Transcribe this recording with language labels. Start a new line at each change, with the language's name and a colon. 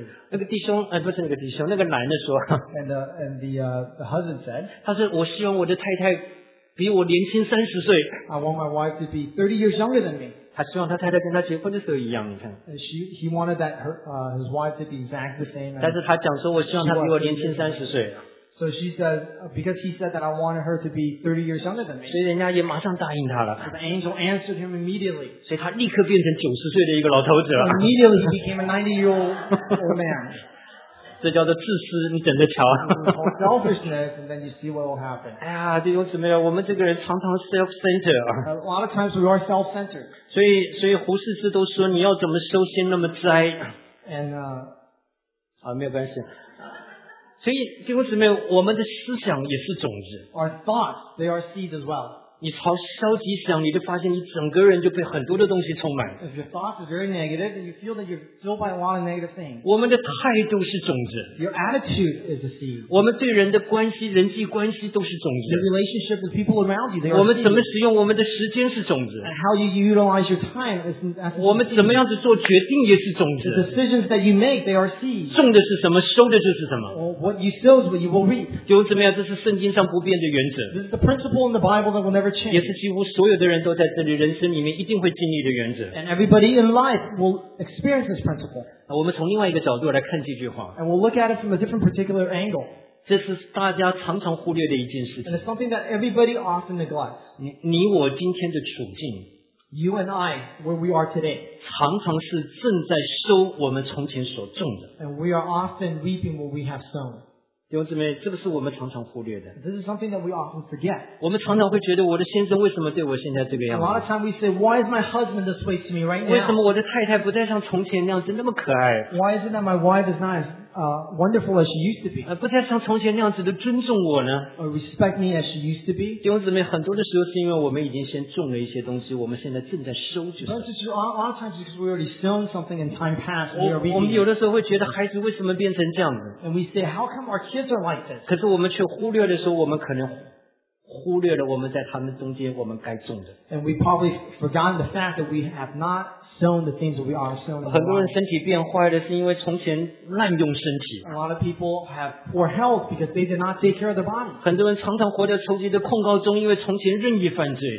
Chinese: 那个弟兄，不是那个弟兄，那个男的说。
English: And the husband said.
Chinese: 他说，我希望我的太太比我年轻30岁。
English: I want my wife to be 30 years younger than me.
Chinese: 他希望他太太跟他结婚的时候一样，你看。
English: He wanted that his wife to be exact the same.
Chinese: 但是他讲说，我希望他比我年轻30岁。
English: So she said, because he said that I wanted her to be 30 years younger than me.
Chinese: 所以人家也马上答应他了。
English: So the angel answered him immediately.
Chinese: 所以他立刻变成90岁的一个老头子了。
English: Immediately he became a 90-year-old man.
Chinese: 这叫做自私，你等着瞧。
English: It's called selfishness, and then you see what will happen.
Chinese: 哎呀，弟兄姊妹，我们这个人常常 self-centered.
English: A lot of times we are self-centered.
Chinese: 所以胡适之都说，你要怎么收心那么栽。
English: And,
Chinese: 好，没有关系。所以弟兄姊妹我们的思想也是种子
English: Our thoughts, they are seeds as well.
Chinese: 你朝消极想你就发现你整个人就被很多的东西充满
English: If your thoughts are very negative then you feel that you're filled by a lot of negative things.
Chinese: 我们的态度是种子
English: Your attitude is a seed.
Chinese: 我们对人的关系人际关系都是种子
English: Your relationship with people around you, they are
Chinese: 我们怎么使用我们的时间是种子
English: And how you utilize your time is a seed.
Chinese: 我们怎么样子做决定也是种子
English: The decisions that you make, they are seeds.
Chinese: 种的是什么收的就是什么
English: Well, what you sow is what you will reap.
Chinese: 弟兄姊妹这是圣经上不变的原则
English: This is the principle in the Bible that will never change.
Chinese: 也是几乎所有的人都在这里人生里面一定会经历的原则
English: And everybody in life will experience this principle.
Chinese: 我们从另外一个角度来看这句话
English: And we'll look at it from a different particular angle.
Chinese: 这是大家常常忽略的一件事情
English: And it's something that everybody often neglects.
Chinese: 你我今天的处境
English: You and I, where we are today.
Chinese: 常常是正在收我们从前所种的
English: And we are often reaping what we have sown.
Chinese: 弟兄姊妹，这个是我们常常忽略的。
English: This is something that we often forget.
Chinese: 我们常常会觉得我的先生为什么对我现在这个样子
English: ？A lot of times we say, "Why is my husband this way to me right now?"
Chinese: 为什么我的太太不再像从前那样子那么可爱
English: ？Why is it that my wife is not as wonderful as she used to be?
Chinese: 不再像从前那样子的尊重我呢
English: ？Or respect me as she used to be?
Chinese: 弟兄姊妹，很多的时候是因为我们已经先种了一些东西，我们现在正在收着。
English: Most of all, a lot of times because we already sown something in time past, we are reaping.
Chinese: 我们有的时候会觉得孩子为什么变成这样子
English: ？And we say, "How come our kids?"
Chinese: 可是我们却忽略的时候，我们可能忽略了我们在他们中间我们该种的。
English: And we probably forgotten the fact that we have not shown the things that we are shown.
Chinese: 很多人身体变坏的是因为从前滥用身体。
English: A lot of people have poor health because they did not take care of their body.
Chinese: 很多人常常活在仇敌的控告中，因为从前任意犯罪。